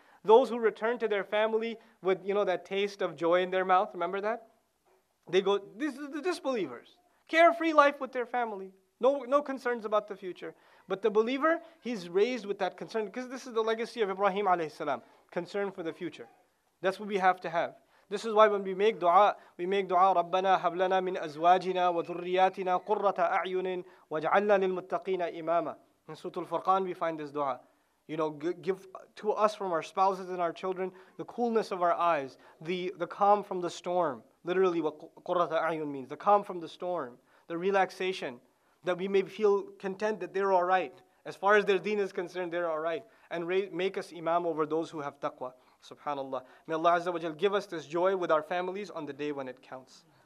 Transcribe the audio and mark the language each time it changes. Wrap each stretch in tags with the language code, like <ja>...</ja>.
<en>Those who return to their family with, you know, that taste of joy in their mouth, remember that? They go, this is the disbelievers. Carefree life with their family. No concerns about the future. But the believer, he's raised with that concern, because this is the legacy of Ibrahim alayhi salam. Concern for the future. That's what we have to have. This is why when we make dua,</en> <ar>رَبَّنَا هَبْلَنَا مِنْ أَزْوَاجِنَا وَذُرِّيَاتِنَا قُرَّةَ أَعْيُنٍ وَاجْعَلْنَا لِلْمُتَّقِينَ إِمَامًا.</ar> <en>In Surah Al-Furqan, we find this dua. You know, give to us from our spouses and our children the coolness of our eyes, the calm from the storm. Literally what قُرَّةَ أَعْيُن means, the calm from the storm, the relaxation, that we may feel content that they're all right. As far as their deen is concerned, they're all right. And make us imam over those who have taqwa. SubhanAllah. May Allah Azza wa Jal give us this joy with our families on the day when it counts.</en>